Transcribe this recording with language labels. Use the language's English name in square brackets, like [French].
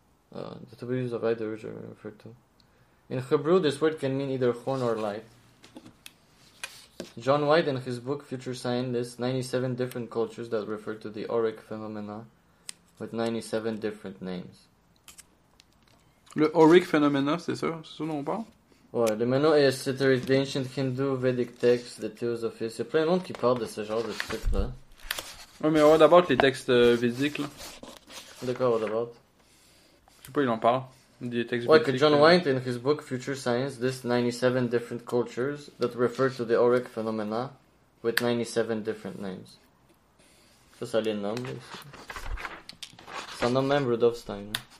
[English] the two beams of light originally referred to... In Hebrew, this word can mean either horn or light. John White, in his book Future Science, lists 97 different cultures that refer to the auric phenomena with 97 different names. [French] Le auric phenomena, c'est ça dont on parle? Ouais, le menu est cetera, [English] the ancient Hindu Vedic texts, the theosophies. [French] Il y a plein de monde qui parle de ce genre de trucs là. Ouais, mais on va d'abord les textes védiques là. D'accord, d'abord. Je sais pas, il en parle. Des textes ouais, védiques. Ouais, que [English] John White, in his book Future Science, lists 97 different cultures that refer to the auric phenomena with 97 different names. [French] Ça, ça les nomme là, ici. Ça nomme même Rudolf Steiner.